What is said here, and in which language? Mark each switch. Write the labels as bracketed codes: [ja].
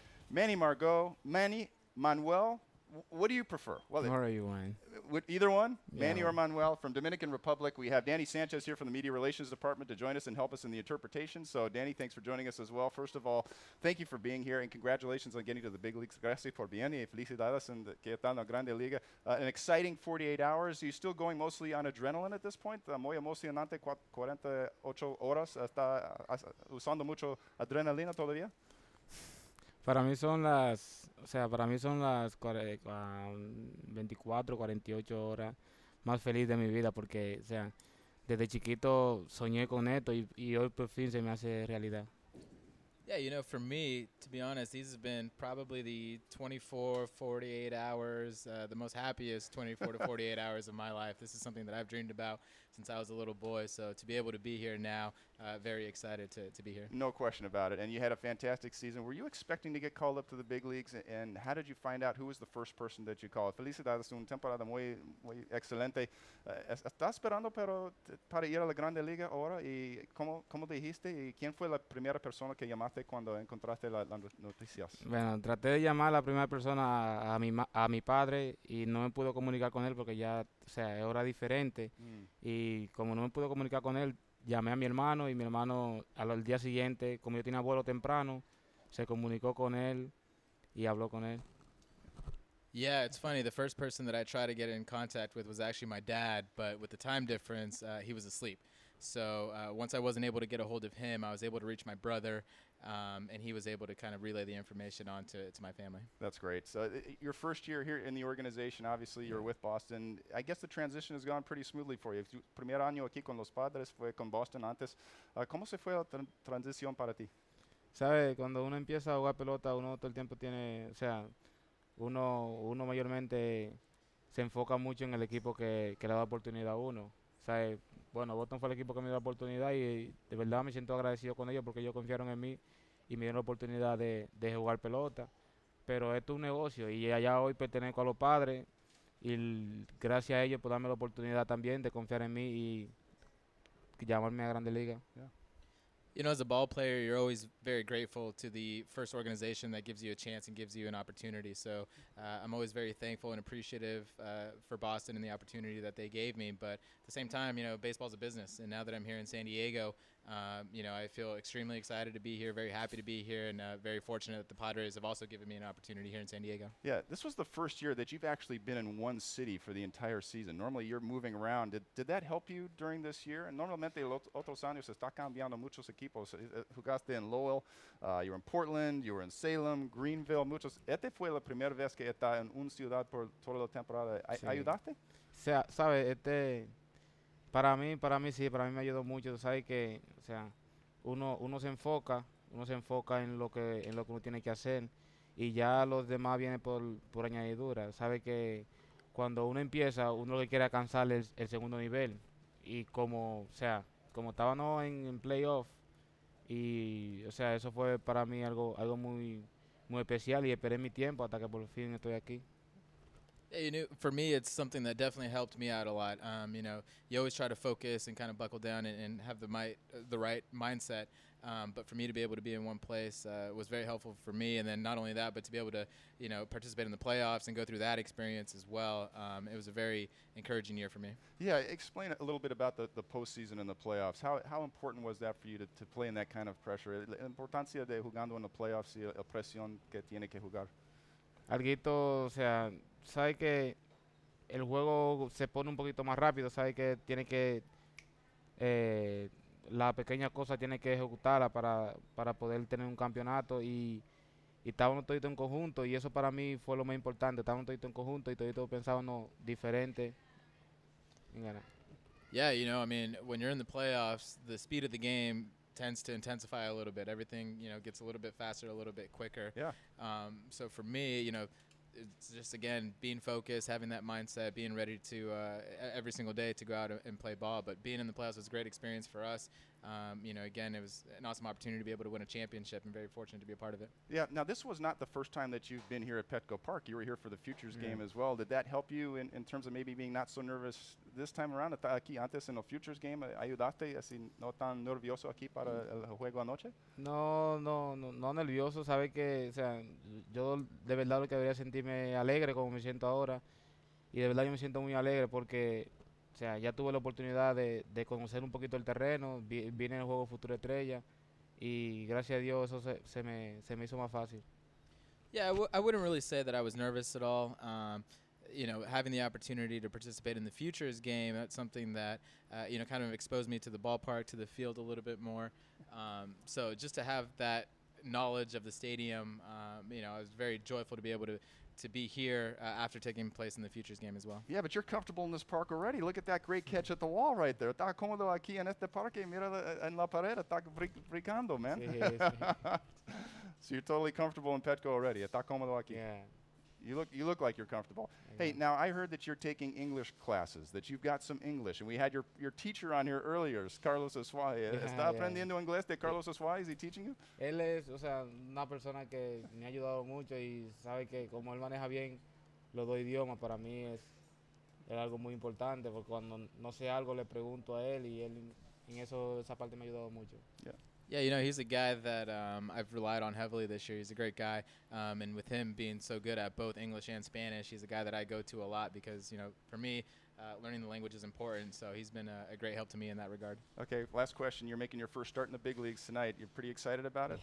[en] Manny Margot, Manny Manuel. What do you prefer? Who are you, Wayne? Either one, yeah. Manny or Manuel from Dominican Republic. We have Danny Sanchez here from the Media Relations Department to join us and help us in the interpretation. So, Danny, thanks for joining us as well. First of all, thank you for being here, and congratulations on getting to the big leagues. [es] Gracias por venir y felicidades en que están la grande liga. [en] An exciting 48 hours. Are you still going mostly on adrenaline at this point? [es] Muy emocionante, 48 horas. ¿Está usando mucho adrenalina todavía? Para mí son las, o sea, para mí son las 24, 48 horas más feliz de mi vida porque, o sea, desde chiquito soñé con esto y hoy por fin se me hace realidad. [en] Yeah, you know, for me, to be honest, these have been probably the 24, 48 hours, the most happiest 24 to 48 hours of my life. This is something that I've dreamed about since I was a little boy. So to be able to be here now, very excited to be here. No question about it. And you had a fantastic season. Were you expecting to get called up to the big leagues? And how did you find out who was the first person that you called? [es] Felicidades, un temporada muy, muy excelente. ¿Estás esperando para ir a la Grande Liga ahora? ¿Y cómo dijiste? ¿Y quién fue la primera persona que llamaste? Cuando encontraste las noticias. Bueno, traté de llamar a la primera persona a mi padre y no me pudo comunicar con él porque ya, o sea, es hora diferente. Y como no me pudo comunicar con él, llamé a mi hermano y mi hermano al día siguiente, como yo tenía vuelo temprano, se comunicó con él y habló con él. [en] Yeah, it's funny. The first person that I tried to get in contact with was actually my dad, but with the time difference, he was asleep. So once I wasn't able to get a hold of him, I was able to reach my brother, and he was able to kind of relay the information on to my family. That's great. So your first year here in the organization, obviously you're with Boston. I guess the transition has gone pretty smoothly for you. [es] Primer año aquí con los Padres fue con Boston antes. ¿Cómo se fue la transición para ti? Sabe, cuando uno empieza a jugar pelota, uno todo el tiempo tiene, o sea, uno mayormente se enfoca mucho en el equipo que le da oportunidad a uno. ¿Sabe? Bueno, Boston fue el equipo que me dio la oportunidad y de verdad me siento agradecido con ellos porque ellos confiaron en mí y me dieron la oportunidad de jugar pelota. Pero esto es un negocio y allá hoy pertenezco a los Padres y gracias a ellos por darme la oportunidad también de confiar en mí y llamarme a Grandes Ligas. [en] Yeah. You know, as a ball player, you're always very grateful to the first organization that gives you a chance and gives you an opportunity. So I'm always very thankful and appreciative for Boston and the opportunity that they gave me. But at the same time, you know, baseball's a business. And now that I'm here in San Diego, you know, I feel extremely excited to be here, very happy to be here, and very fortunate that the Padres have also given me an opportunity here in San Diego. Yeah, this was the first year that you've actually been in one city for the entire season. Normally, you're moving around. Did that help you during this year? [es] Normalmente, los otros años está cambiando muchos equipos. Jugaste en [en] Lowell, you were in Portland, you were in Salem, Greenville, [es] muchos. Este fue la primera vez que está en una ciudad por toda la temporada. Sí. ¿Ayudaste? Sabe, este... Para mí sí, para mí me ayudó mucho. Tú sabes que, o sea, uno se enfoca en lo que uno tiene que hacer y ya los demás vienen por añadidura. Sabes que cuando uno empieza, uno lo que quiere alcanzar es el segundo nivel. Y como, o sea, como estábamos en playoff, y, o sea, eso fue para mí algo muy, muy especial y esperé mi tiempo hasta que por fin estoy aquí. [en] You know, for me, it's something that definitely helped me out a lot. You know, you always try to focus and kind of buckle down and have the right mindset. But for me to be able to be in one place was very helpful for me. And then not only that, but to be able to, you know, participate in the playoffs and go through that experience as well. It was a very encouraging year for me. Yeah, explain a little bit about the postseason and the playoffs. How important was that for you to play in that kind of pressure? [es] La importancia de jugando en los playoffs y la presión que tiene que jugar. Alguito, o sea... Sabe que el juego se pone un poquito más rápido, sabe que tiene que la pequeña cosa tiene que ejecutarla para poder tener un campeonato y estábamos todito en conjunto y eso para mí fue lo más importante, estábamos todito en conjunto y todito pensábamos diferente. [en] Yeah, you know, I mean, when you're in the playoffs, the speed of the game tends to intensify a little bit. Everything, you know, gets a little bit faster, a little bit quicker. Yeah. So for me, you know, it's just, again, being focused, having that mindset, being ready to every single day to go out and play ball. But being in the playoffs was a great experience for us. You know, again, it was an awesome opportunity to be able to win a championship and very fortunate to be a part of it. Yeah, now this was not the first time that you've been here at Petco Park. You were here for the Futures game as well. Did that help you in terms of maybe being not so nervous this time around? [es] ¿Estás aquí antes en el Futures game? ¿Ayudaste así no tan nervioso aquí para el juego anoche? No nervioso. Sabe que, o sea, yo de verdad lo que debería sentirme alegre como me siento ahora. Y de verdad yo me siento muy alegre porque... O sea, ya tuve la oportunidad de conocer un poquito el terreno, vine en el juego Futura Estrella, y gracias a Dios eso se me hizo más fácil. [en] Yeah, I wouldn't really say that I was nervous at all. You know, having the opportunity to participate in the Futures game, that's something that, you know, kind of exposed me to the ballpark, to the field a little bit more. So just to have that knowledge of the stadium, you know, I was very joyful to be able to be here after taking place in the Futures game as well. Yeah, but you're comfortable in this park already. Look at that great catch at the wall right there. [es] Está cómodo aquí en este parque. Mira en la pared. Está brincando, man. Sí. [en] So you're totally comfortable in Petco already. [es] Está cómodo aquí. [en] Yeah. You look like you're comfortable. Yeah. Hey, now I heard that you're taking English classes, that you've got some English. And we had your teacher on here earlier, Carlos Asuaje. [es] Yeah, ¿Está aprendiendo inglés de Carlos Asuaje? [en] Is he teaching you? [es] Él es, o sea, una persona que me ha ayudado mucho y sabe que como él maneja bien los dos idiomas, para mí es algo muy importante porque cuando no sé algo le pregunto a él y él en eso esa parte me ha ayudado mucho. [en] Yeah. Yeah, you know, he's a guy that I've relied on heavily this year. He's a great guy. And with him being so good at both English and Spanish, he's a guy that I go to a lot because, you know, for me, learning the language is important. So he's been a great help to me in that regard. Okay, last question. You're making your first start in the big leagues tonight. You're pretty excited about it?